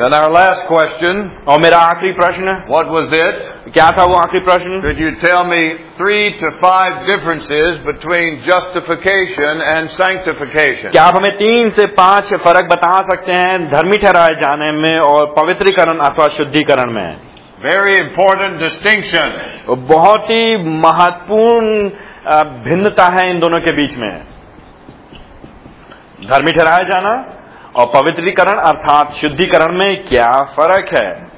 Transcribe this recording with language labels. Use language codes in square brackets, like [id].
[en] Then our last question, [hi] और मेरा आखिरी प्रश्न, [en] what was it, [hi] क्या था वो आखिरी प्रश्न? [en] Could you tell me 3 to 5 differences between justification and sanctification? [hi] क्या आप हमें 3 से 5 फर्क बता सकते हैं धर्मी ठहराए जाने में और पवित्रीकरण अथवा शुद्धिकरण में? [en] Very important distinction. [hi] बहुत ही महत्वपूर्ण भिन्नता है इन दोनों के बीच में, धर्मी ठहराया जाना और पवित्रीकरण अर्थात शुद्धिकरण में क्या फर्क है?